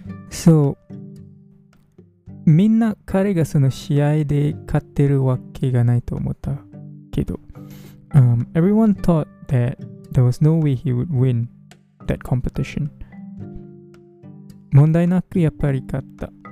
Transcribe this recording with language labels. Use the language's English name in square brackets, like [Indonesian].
[Japanese] So, みんな彼がその試合で勝ってるわけがないと思ったけど、 [English] everyone thought that there was no way he would win that competition. [Japanese] 問題なくやっぱり勝った。